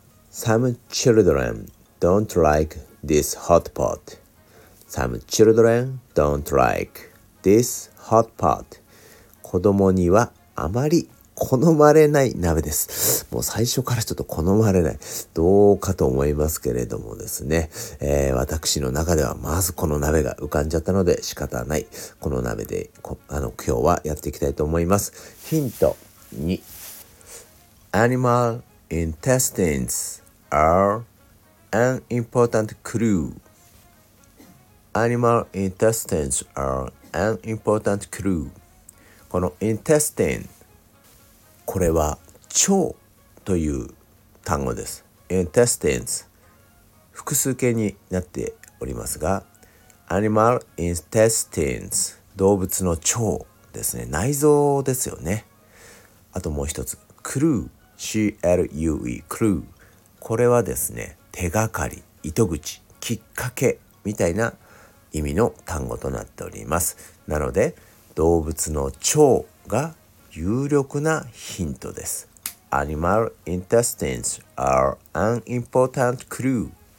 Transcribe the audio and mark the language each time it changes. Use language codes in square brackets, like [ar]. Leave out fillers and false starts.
[en] Some children don't like this hot pot. Some children don't like this hot pot. [ja] 子供にはあまり好まれない鍋です。もう最初からちょっと好まれない、どうかと思いますけれどもですね、私の中ではまずこの鍋が浮かんじゃったので仕方ない、この鍋で今日はやっていきたいと思います。ヒント2、 [en] Animal intestines are an important clue. Animal intestines are an important clue. [ja] この intestineこれは腸という単語です。 intestines 複数形になっておりますが、 [en] animal intestines [ja] 動物の腸ですね、内臓ですよね。あともう一つ clue c-l-u-e clue、 これはですね、手がかり、糸口、きっかけみたいな意味の単語となっております。なので動物の腸が有力なヒントです。 [en] Animal intestines are an important clue.